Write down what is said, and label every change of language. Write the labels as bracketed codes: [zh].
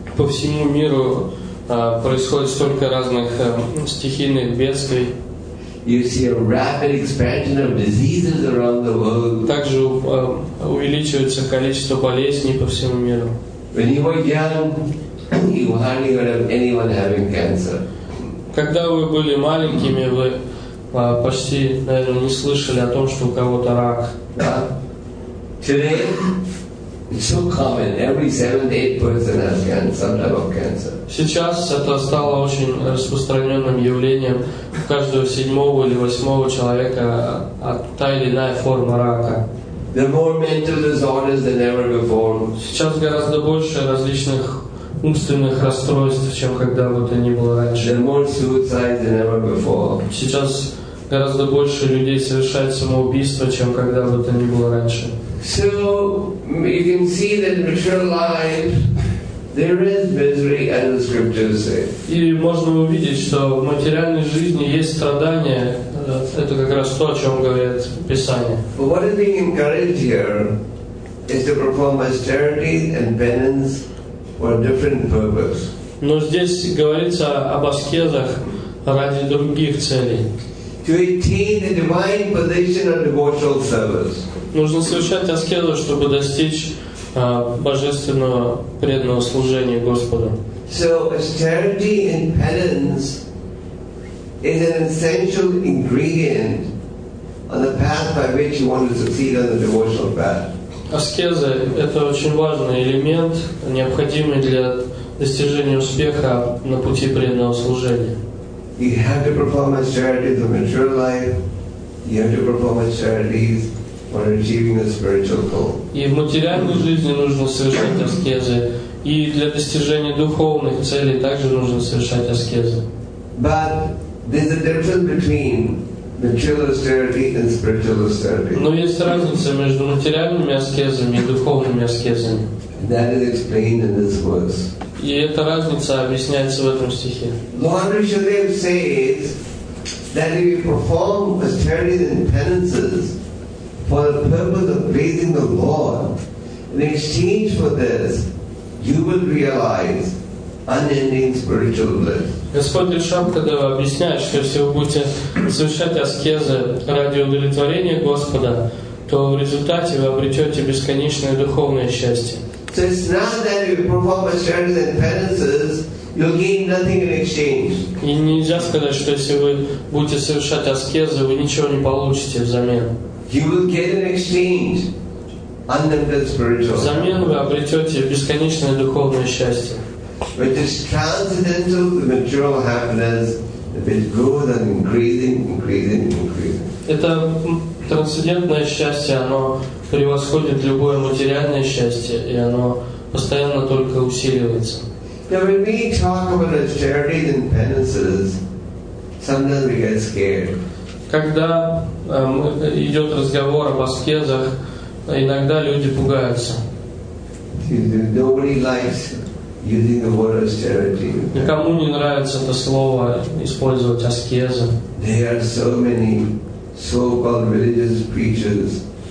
[ru] По всему миру происходит столько разных стихийных бедствий. [en] You see a rapid expansion of diseases around the world. [ru] Также увеличивается количество болезней по всему миру. [en] When you were young, you hardly heard of anyone having cancer. [ru] Когда вы были маленькими, вы почти, наверное, не слышали о том, что у кого-то рак. [en] Today, it's so common. Every 7 to 8 person has cancer, some type of cancer. [ru] Сейчас это стало очень распространенным явлением. У каждого седьмого или восьмого человека та или иная форма рака. [en] There are more mental disorders than ever before. [ru] Сейчас гораздо больше различных умственных расстройств, чем когда бы то ни было раньше. [en] There are more suicides than ever before. [ru] Сейчас гораздо больше людей совершает самоубийство, чем когда бы то ни было раньше. [en] So you can see that in real life there is misery, as the scriptures say. [ru] И можно увидеть, что в материальной жизни есть страдания. Это как раз то, о чем говорит Писание. [en] But what is being encouraged here is to perform austerity and penance for a different purpose. [ru] Но здесь говорится об аскезах ради других целей. [en] To attain the divine position of devotional service. [ru] Нужно совершать аскезу, чтобы достичь божественного преданного служения Господу. [en] So austerity and penance is an essential ingredient on the path by which you want to succeed on the devotional path. [ru] Аскеза — это очень важный элемент, необходимый для достижения успеха на пути преданного служения. [en] You have to perform austerities of material life. You have to perform austerities when achieving a spiritual goal. [ru] И в материальной жизни нужно совершать аскезы, и для достижения духовных целей также нужно совершать аскезы. [en] But there's a difference between material austerity and spiritual austerity. [ru] Но есть разница между материальными аскезами и духовными аскезами. [en] That is explained in this verse. [ru] И эта разница объясняется в этом стихе. [en] Lord Rishadev says that if you perform austerities and penances for the purpose of praising the Lord, in exchange for this, you will realize unending spiritual bliss. [ru] Господь Ришабхадева объясняет, что если вы будете совершать аскезы ради удовлетворения Господа, то в результате вы обретете бесконечное духовное счастье. [en] So it's not that if you perform austerities and penances, you'll gain nothing in exchange. [ru] И нельзя сказать, что если вы будете совершать аскезы, вы ничего не получите взамен. [en] You will get an exchange, unlimited spiritual. [ru] Взамен вы обретете бесконечное духовное счастье. [en] Which is transcendental to material happiness, if it goes on increasing. [ru] Это трансцендентное счастье, оно превосходит любое материальное счастье, и оно постоянно только усиливается. [en] Now, when we talk about austerities and penances, sometimes we get scared. [ru] Когда идет разговор об аскезах, иногда люди пугаются. [en] Nobody likes using the word austerity. [ru] Никому не нравится это слово использовать аскезу. [en] There are so many so-called religious preachers.